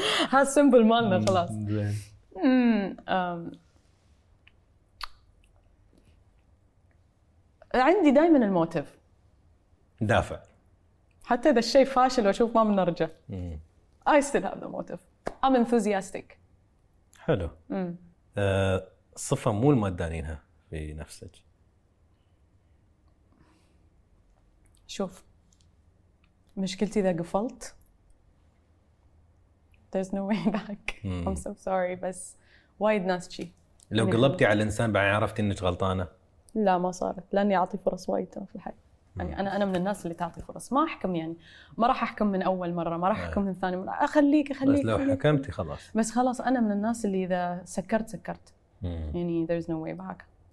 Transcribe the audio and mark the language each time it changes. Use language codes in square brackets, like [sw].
[ar] ها سمبل مالنا خلاص عندي دائما الموتيف دافع حتى اذا الشيء فاشل واشوف ما من رجع [en] I still have the motive I'm enthusiastic [ar] حلو صفة مو المدانينها في نفسك شوف مشكلتي إذا قفلت [en] there's no way back. I'm so sorry [ar] بس وايد ناس شي. لو قلبتي على الإنسان بعدين عرفتي إنك غلطانة؟ لا ما صارت لأني أعطي فرص وايد في الحياة. يعني أنا من الناس اللي تعطي فرص، ما أحكم، يعني ما راح أحكم من أول مرة، ما راح أحكم من ثاني مرة، أخليك بس لو حكمتي خلاص. بس خلاص أنا من الناس اللي إذا سكرت يعني [en] there's no way back.